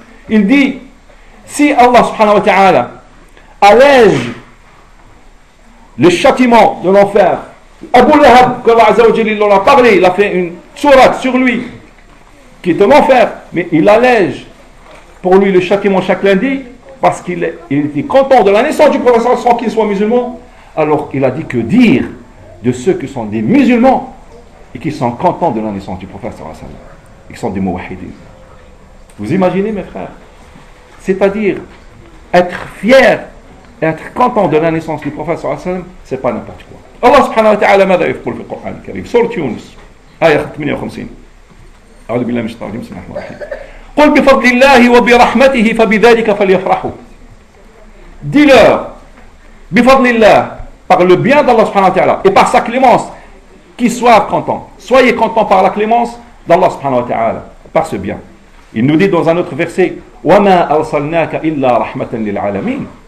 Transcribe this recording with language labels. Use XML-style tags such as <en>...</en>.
<fr>Il dit, si Allah subhanahu wa ta'ala allège le châtiment de l'enfer, Abu Lahab, que Allah azza wa jalla l'a parlé, il a fait une sourate sur lui, qui est un enfer, mais il allège pour lui le châtiment chaque lundi, parce qu'il est, il était content de la naissance du prophète sans qu'il soit musulman, alors il a dit que dire de ceux qui sont des musulmans, et qui sont contents de la naissance du prophète sallallahu alayhi wa sallam. Ils sont des mouahidines. Vous imaginez, mes frères? C'est-à-dire, être fier, être content de la naissance du prophète sallallahu alayhi wa sallam, c'est pas n'importe quoi. Allah subhanahu wa ta'ala,</fr> <ar>ماذا يقول في القرآن الكريم? Surat Yunus, ayah 58. A'udhu billahi minash shaitanir rajim, bismillahir rahmanir rahim. قل بفضل الله وبرحمته فبذلك فليفرحوا.</ar> <fr>Dis-leur,</fr> <ar>بفضل الله,</ar> <fr>par le bien d'Allah subhanahu wa ta'ala, et par sa clémence, qu'ils soient contents. Soyez contents par la clémence d'Allah subhanahu wa ta'ala, par ce bien. Il nous dit dans un autre verset,</fr> <ar>وَمَا أَرْسَلْنَاكَ إِلَّا رَحْمَةً لِلْعَالَمِينَ.</ar>